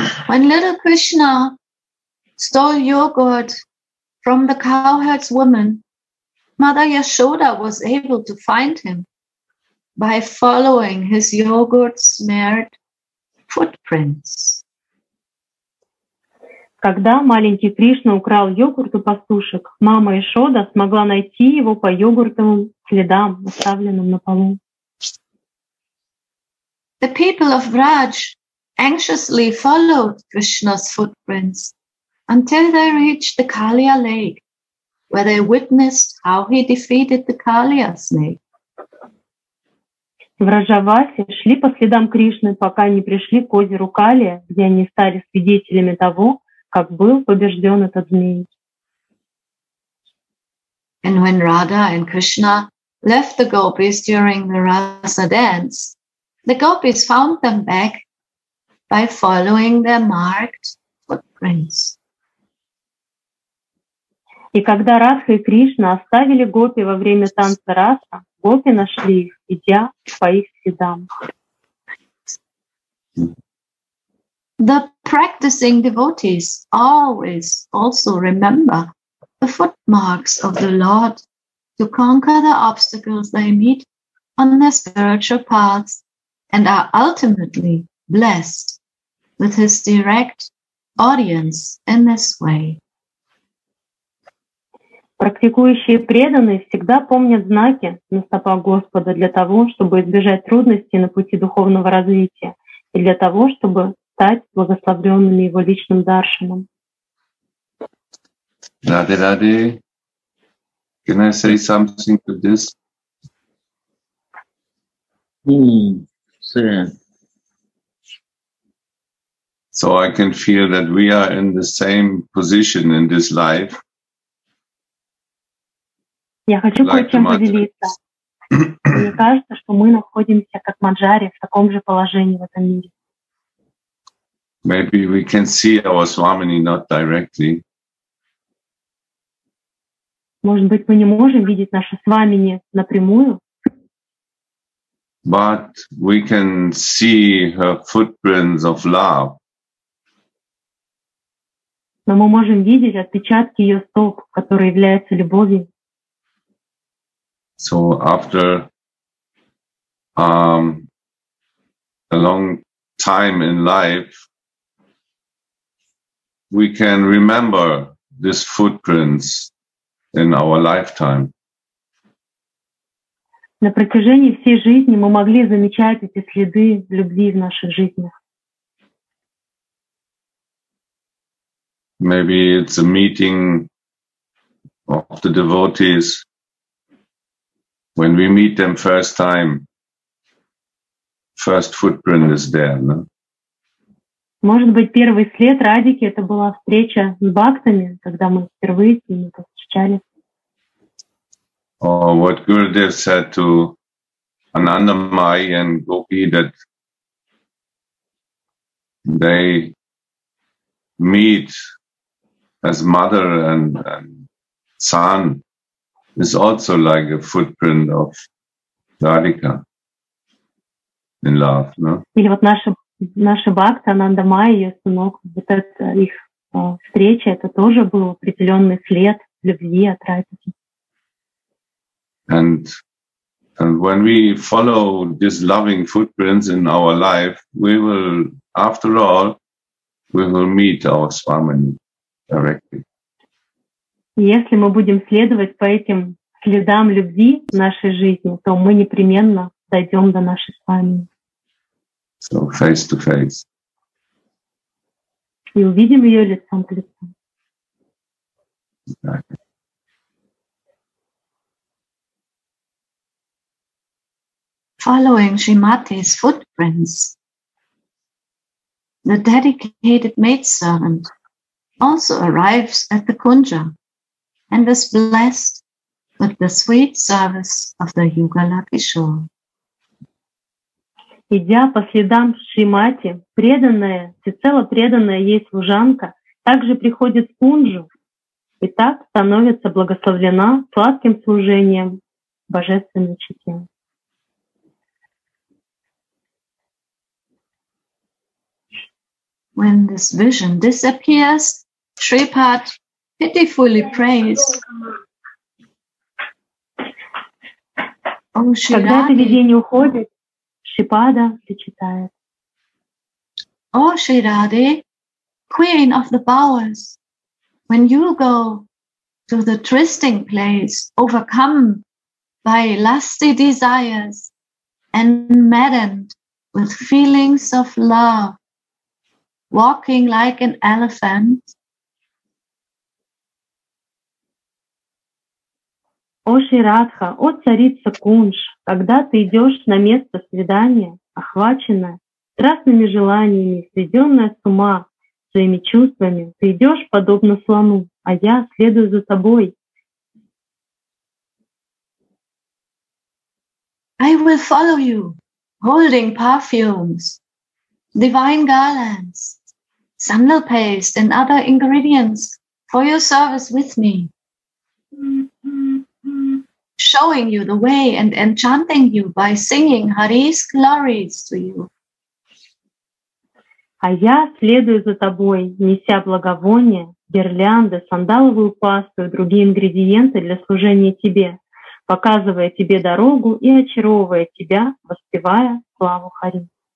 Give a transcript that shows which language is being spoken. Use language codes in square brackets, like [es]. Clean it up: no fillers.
[en] When little Krishna stole yogurt from the cowherd's woman, Mother Yashoda was able to find him by following his yogurt-smeared footprints. [ru] Когда маленький Кришна украл йогурт у пастушек, мама Яшода смогла найти его по йогуртовым следам, оставленным на полу. [en] The people of Raj anxiously followed Krishna's footprints until they reached the Kalia lake, where they witnessed how he defeated the Kalia snake. [ru] В Раджавасе шли по следам Кришны, пока не пришли к озеру Калия, где они стали свидетелями того, как был побежден этот змей. [en] And when Radha and Krishna left the gopis during the Rasa dance, the gopis found them back by following their marked footprints. [ru] И когда Радха и Кришна оставили гопи во время танца Раса, гопи нашли их, идя по их следам. [en] The practicing devotees always also remember the footmarks of the Lord to conquer the obstacles they meet on their spiritual paths and are ultimately blessed with his direct audience in this way. [ru] Практикующие преданные всегда помнят знаки на стопах Господа для того, чтобы избежать трудностей на пути духовного развития и для того, чтобы стать благословленными его личным даршаном. [en] Radhe Radhe, can I say something to this? So I can feel that we are in the same position in this life. [ru] Я хочу кое-чем поделиться. Мне кажется, что мы находимся, как Маджари, в таком же положении в этом мире. [en] Maybe we can see our Swamini not directly. [ru] Может быть, мы не можем видеть наше Свамини напрямую. [en] But we can see her footprints of love. [ru] Но мы можем видеть отпечатки ее стоп, которые являются любовью. [en] So after a long time in life, we can remember these footprints in our lifetime. [ru] На протяжении всей жизни мы могли замечать эти следы любви в наших жизнях. [en] Maybe it's a meeting of the devotees. When we meet them first time, first footprint is there, no? [ru] Может быть, первый след Радики — это была встреча с бхактами, когда мы впервые с ними повстречали. [en] Or what Gurudev said to Anandamayi and Gopi, that they meet as mother and son, is also like a footprint of Radhika in love, no? [ru] Или вот наша бхакта Ананда Майя, ее сынок, вот эта их встреча, это тоже был определенный след любви от Радхики. [en] And when we follow these loving footprints in our life, we will, after all, we will meet our Swamini directly. [ru] Если мы будем следовать по этим следам любви в нашей жизни, то мы непременно дойдем до нашей Свами. [en] So face to face. [ru] И увидим ее лицом к лицу. [en] Following Shrimati's footprints, the dedicated maidservant also arrives at the Kunja and is blessed with the sweet service of the Yugala Kishore. [ru] Идя по следам Шримати, преданная, всецело преданная ей служанка, также приходит в кунджу И так становится благословлена сладким служением Божественной Чите. [en] When this vision disappears, Sripad pitifully prays. [ru] Когда это видение уходит, Шипада причитает. [en] О, Ширади, queen of the bowers, when you go to the trysting place, overcome by lusty desires and maddened with feelings of love, walking like an elephant. [ru] О, Ширадха, о, царица Кунш, когда ты идешь на место свидания, охваченная страстными желаниями, сведенная с ума своими чувствами, ты идешь подобно слону, а я следую за тобой. [en] I will follow you, holding perfumes, divine garlands, sandal paste and other ingredients for your service with me. Showing you the way and enchanting you by singing Hari's glories to you. [ru] А я следую за тобой, неся благовония, гирлянды, сандаловую пасту и другие ингредиенты для служения тебе, показывая тебе дорогу и очаровывая тебя, воспевая славу Хари.